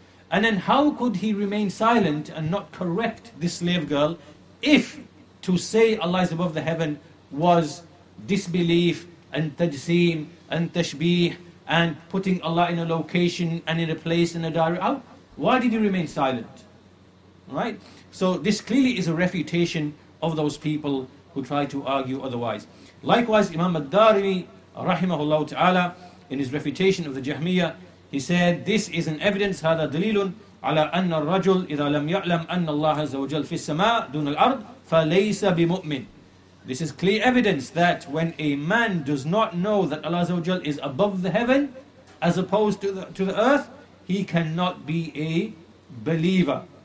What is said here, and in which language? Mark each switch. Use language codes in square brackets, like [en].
[en] And then how could he remain silent and not correct this slave girl if to say Allah is above the heaven was disbelief and tajseem and tashbih and putting Allah in a location and in a place and a direction? Why did he remain silent? Right? So this clearly is a refutation of those people who try to argue otherwise. Likewise, Imam Ad-Darimi, rahimahullah ta'ala, in his refutation of the Jahmiyyah, he said, this is an evidence, [ar] هذا دليل على أن الرجل إذا لم يعلم أن الله عز وجل في السماء دون الأرض فليس بمؤمن. [en] This is clear evidence that when a man does not know that Allah عز وجل is above the heaven as opposed to the earth, he cannot be a believer.